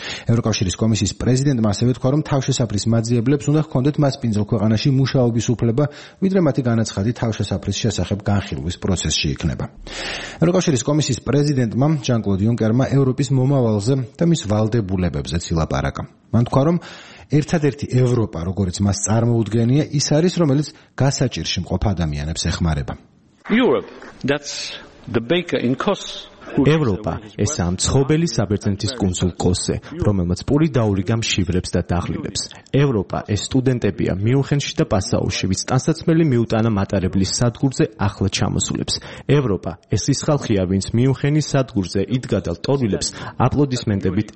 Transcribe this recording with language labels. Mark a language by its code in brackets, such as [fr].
[ka] ევროკავშირის კომისიის პრეზიდენტმა ასევე თქვა, რომ თავშესაფრის მაძიებლებს უნდა ჰქონდეთ მასპინძელ ქვეყანაში მუშაობის უფლება, ვიდრე მათი განაცხადი თავშესაფრის შესახებ განხილვის პროცესში იქნება. ევროკავშირის კომისიის პრეზიდენტმა ჟან-კლოდ იუნკერმა ევროპის მომავალზე და მის ვალდებულებებზე ცილაპარაკა. მან თქვა, რომ ერთადერთი ევროპა, როგორც მას წარმოუდგენია, ის არის, რომელიც გასაჭირში მყოფ ადამიანებს ეხმარება. [en] Europe, that's the baker in Kos. [ka] ევროპა, ეს ამ ცხობელი საბერძნეთის კონსულ კოსე, რომელმაც პური დაურიგა მშივლებს და დაღლილებს. ევროპა, ეს სტუდენტებია მიუნხენში და პასაუში, ვის ტანსაცმელი მიუტანა მატარებლის სადგურზე ახლა ჩამოსულებს. ევროპა, ეს ის ხალხია, ვინც მიუნხენის სადგურზე იდგა და ლტოლვილებს აპლოდისმენტებით